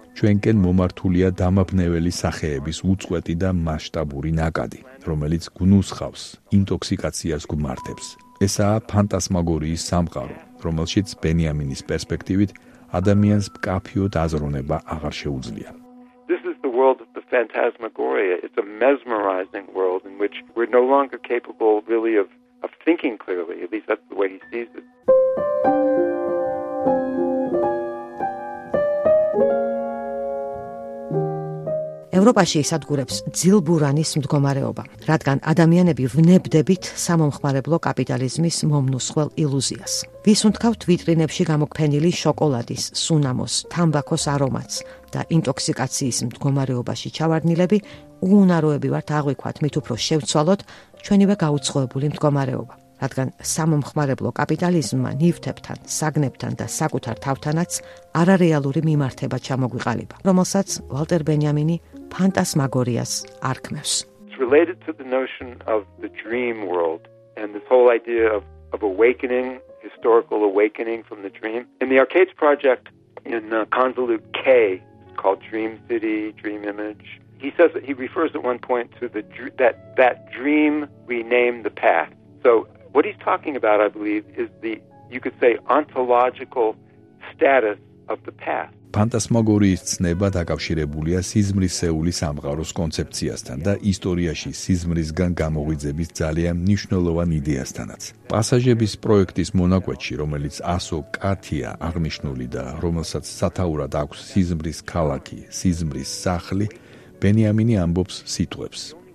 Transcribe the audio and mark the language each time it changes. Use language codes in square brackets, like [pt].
[ka] ჩვენკენ მომართულია დამაბნეველი სახეების უწყვეტი და მასშტაბური ნაკადი, რომელიც გნუსხავს, ინტოქსიკაციას გმართებს. ესაა ფანტასმაგორიის სამყარო, რომელშიც ბენიამინის პერსპექტივით ადამიანს მკაფიოდ აზროვნება აღარ შეუძლია. [en] World of the phantasmagoria, it's a mesmerizing world in which we're no longer capable really of thinking clearly, at least that's the way he sees it. [ka] ევროპაში ისადგურებს ძილბურანის მდგომარეობა, რადგან ადამიანები ვნებდებით სამომხმარებლო კაპიტალიზმის მომნუსხველ ილუზიას. ვის უნთქავთ ვიტრინებში გამოქფენილი შოკოლადის, სუნამოს, თამბაქოს არომატს და ინტოქსიკაციის მდგომარეობაში ჩავარდნილები, უუნაროები ვართ აღვიქვათ მით უფრო შევცვალოთ ჩვენივე გაუცხოებული მდგომარეობა. რადგან სამომხმარებლო კაპიტალიზმმა ნივთებთან, საგნებთან და საკუთარ თავთანაც არარეალური მიმართება ჩამოგვიყალიბა, რომელსაც ვალტერ ბენიამინი ფანტასმაგორიას არქმევს. [en] It's related to the notion of the dream world and this whole idea of awakening, historical awakening from the dream. In the Arcades project in convolute K called Dream City, Dream Image, he says that he refers at one point to the that dream we name the path. So what he's talking about, I believe, is the, you could say, ontological status of the past. [ka] ფანტასმაგორიის ცნება დაკავშირებულია სიზმრისეული სამყაროს კონცეფციასთან და ისტორიაში სიზმრისგან გამოღვიძების ძალიან მნიშვნელოვან იდეასთანაც. პასაჟების პროექტის მონაკვეთში, რომელიც ასო კათია აღნიშნული და რომელსაც სათაურად აქვს სიზმრის ქალაქი, სიზმრის სახლი, ბენიამინი ამბობს სიტყვებს.